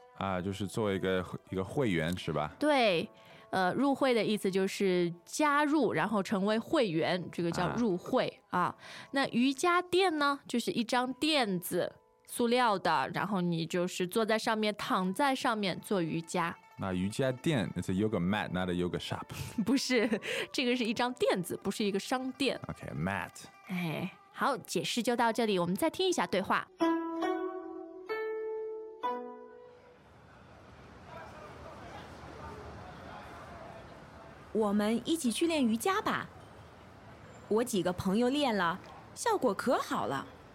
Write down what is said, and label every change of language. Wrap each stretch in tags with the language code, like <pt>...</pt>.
<zh>啊，就是作为一个会员是吧？对，入会的意思就是加入然后成为会员，这个叫入会 那瑜伽垫呢，就是一张垫子，塑料的，然后你就是坐在上面，躺在上面做瑜伽。</zh> <en>那瑜伽垫 It's a yoga mat, not a yoga shop.</en> <zh>不是，这个是一张垫子，不是一个商店。</zh> <en>OK, mat.</en> <zh>好，解释就到这里，我们再听一下对话。我们一起去练瑜伽吧，我几个朋友练了，效果可好了。</zh>